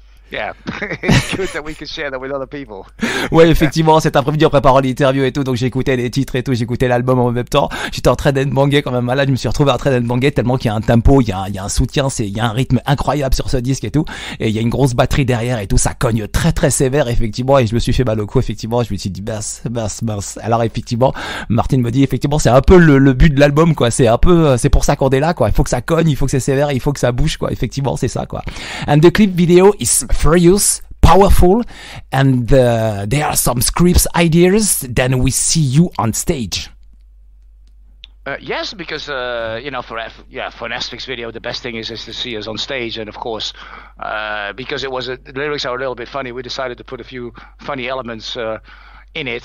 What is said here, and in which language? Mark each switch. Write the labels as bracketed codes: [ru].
[en] Yeah, it's good that we can share that with other people. [fr] Ouais, effectivement, cet après-midi en préparant l'interview et tout, donc j'écoutais les titres et tout, j'écoutais l'album en même temps. J'étais en train d'être bangé quand même malade, je me suis retrouvé en train d'être bangé tellement qu'il y a un tempo, il y a un soutien, il y a un rythme incroyable sur ce disque et tout. Et il y a une grosse batterie derrière et tout, ça cogne très très sévère, effectivement. Et je me suis fait mal au cou, effectivement. Je me suis dit, mince. Alors, effectivement, Martin me dit, effectivement, c'est un peu le but de l'album, quoi. C'est pour ça qu'on est là, quoi. Il faut que ça cogne, il faut que c'est sévère, il faut que ça bouge, quoi. Effectivement, c'est ça, quoi. [en] And the clip video is furious, powerful, and there are some scripts ideas. Then we see you on stage. Yes, because for an Hasfix video, the best thing is to see us on stage. And of course, because it was the lyrics are a little bit funny, we decided to put a few funny elements in it.